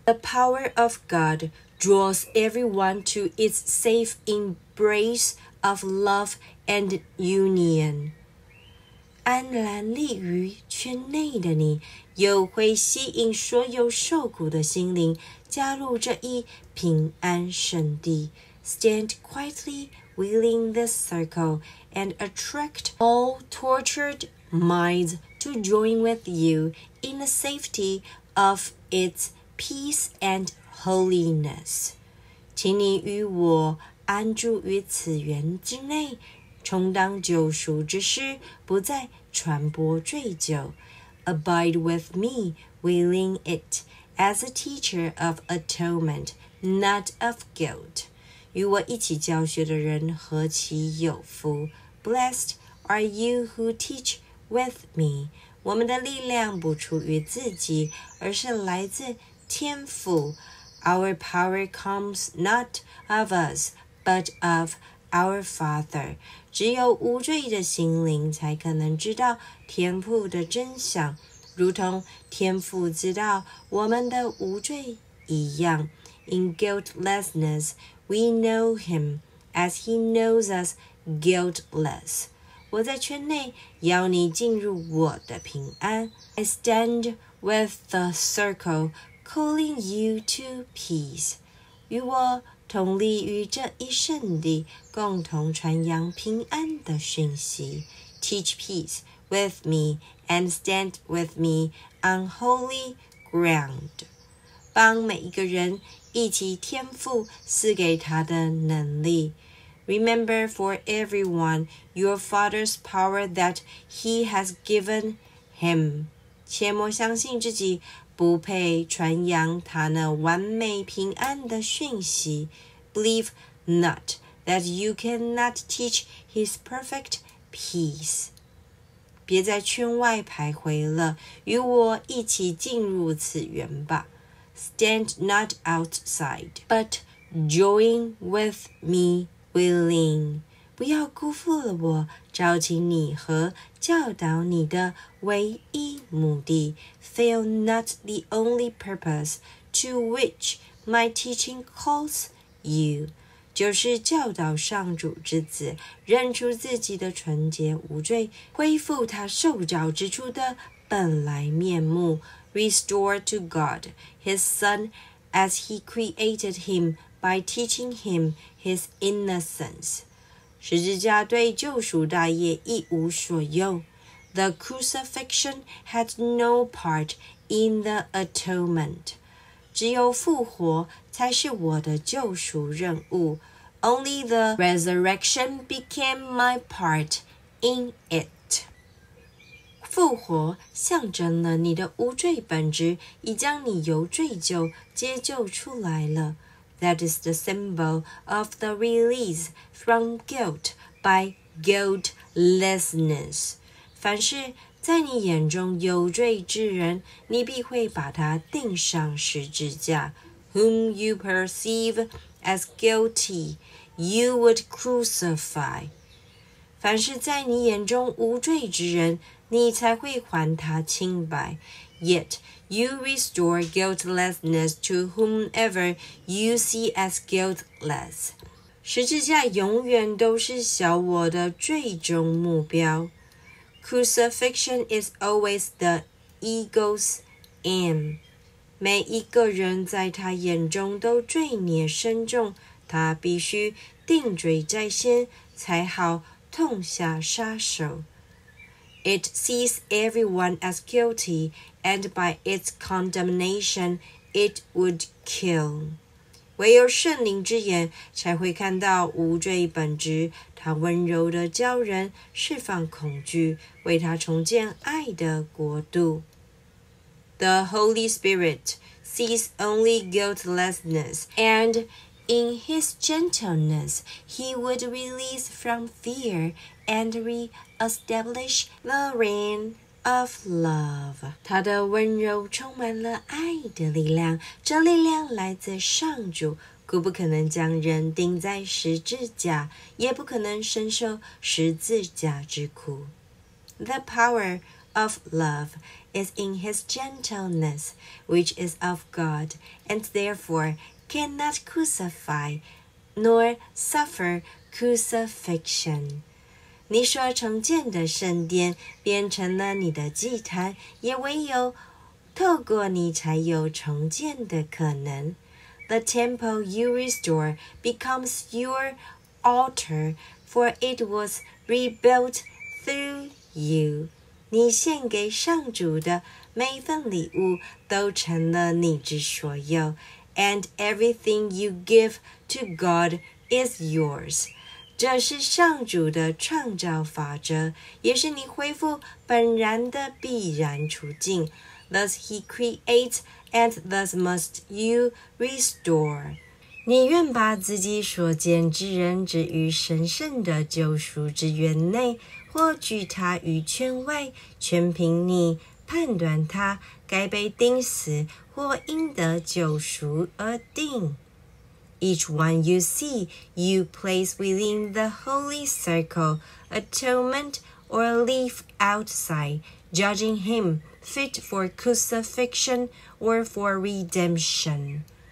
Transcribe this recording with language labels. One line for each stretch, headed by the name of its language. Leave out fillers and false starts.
English: The power of God draws everyone to its safe embrace of love and union.
Chinese: 安然立于圈内的你，又会吸引所有受苦的心灵加入这一平安圣地。
English: Stand quietly. Within this circle and attract all tortured minds to join with you in the safety of its peace and holiness.
Chinese: 请你与我安住于此源之内，充当救赎之师，不再传播罪疚。
English: Abide with me within it as a teacher of atonement, not of guilt.
Chinese: 与我一起教学的人何其有福。
English: Blessed are you who teach with me.
Chinese: 我们的力量不出于自己，而是来自天父。
English: Our power comes not of us, but of our Father.
Chinese: 只有无罪的心灵才可能知道天父的真相，如同天父知道我们的无罪一样。
English: In guiltlessness,We know him as he knows us guiltless.
Chinese: 我在圈内邀你进入我的平安。
English: I stand with the circle calling you to peace.
Chinese: 与我同立于这一圣地，共同传扬平安的讯息。
English: Teach peace with me and stand with me on holy ground.
Chinese: 帮每一个人一起天父赐给他的能力。
English: Remember for everyone your father's power that he has given him.
Chinese: 切莫相信自己不配传扬他那完美平安的讯息。
English: Believe not that you cannot teach his perfect peace.
Chinese: 别在圈外徘徊了，与我一起进入此源吧。
English: Stand not outside, but join with me willing.
Chinese: 不要辜负了我，召集你和教导你的唯一目的
English: fail not the only purpose to which my teaching calls you，
Chinese: 就是教导上主之子认出自己的纯洁无罪，恢复他受教之初的本来面目，
English: restore to God his son as he created him by teaching him his innocence。
Chinese: 十字架对救赎大业一无所用。
English: The crucifixion had no part in the atonement.
Chinese: 只有复活才是我的救赎任务。
English: Only the resurrection became my part in it.
Chinese: 复活象征了你的无罪本质已将你由罪疚解救出来了。
English: That is the symbol of the release from guilt by guiltlessness.
Chinese: 凡是在你眼中有罪之人，你必会把他钉上十字架。
English: Whom you perceive as guilty, you would crucify.
Chinese: 凡是在你眼中无罪之人，你才会还他清白。
English: Yet you restore guiltlessness to whomever you see as guiltless.
Chinese: 十字架永远都是小我的最终目标。
English: Crucifixion is always the ego's aim.
Chinese: 每一个人在他眼中都罪孽深重，他必须定罪在先，才好痛下杀手。
English: It sees everyone as guilty, and by its condemnation, it would kill.
Chinese: 唯有圣灵之眼才会看到无罪本质，他温柔地教人释放恐惧，为他重建爱的国度。
English: The Holy Spirit sees only guiltlessness, and in his gentleness, he would release from fear and re-establish the reign of love.
Chinese: 他的温柔充满了爱的力量，这力量来自上主，故不可能将人钉在十字架，也不可能深受十字架之苦。
English: The power of love is in his gentleness, which is of God, and therefore cannot crucify, nor suffer crucifixion.
Chinese: 你所重建的圣殿变成了你的祭坛，也唯有透过你才有重建的可能。
English: The temple you restore becomes your altar, for it was rebuilt through you.
Chinese: 你献给上主的每份礼物都成了你之所有。
English: And everything you give to God is yours.
Chinese: 这是上主的创造法则，也是你恢复本然的必然处境。
English: Thus he creates, and thus must you restore.
Chinese: 你愿把自己所见之人置于神圣的救赎之源内，或拒他于圈外，全凭你判断他该被钉死或应得救赎而定。
English: Each one you see, you place within the holy circle, atonement or leave outside, judging him fit for crucifixion or for redemption.